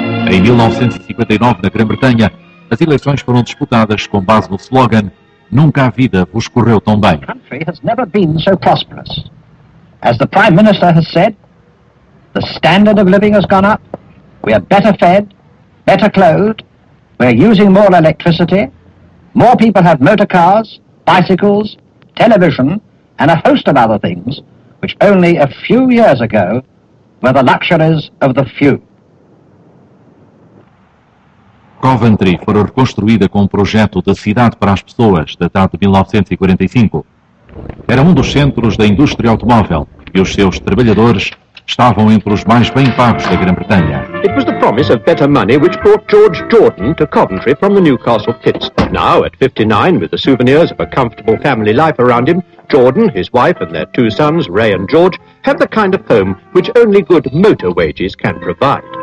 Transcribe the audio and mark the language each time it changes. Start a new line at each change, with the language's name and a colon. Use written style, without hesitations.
Portuguese: Em 1959 na Grã-Bretanha as eleições foram disputadas com base no slogan Nunca a vida vos correu tão bem.
English: The country has never been so prosperous. As the Prime Minister has said, the standard of living has gone up, we are better fed, better clothed, we are using more electricity, more people have motor cars, bicycles, television and a host of other things which only a few years ago were the luxuries of the few.
Portuguese: Coventry foi reconstruída com um projeto da cidade para as pessoas, datado de 1945. Era um dos centros da indústria automóvel e os seus trabalhadores estavam entre os mais bem pagos da Grã-Bretanha.
English: It was the promise of better money which brought George Jordan to Coventry from the Newcastle Pits. Now, at 59, with the souvenirs of a comfortable family life around him, Jordan, his wife and their two sons, Ray and George, have the kind of home which only good motor wages can provide.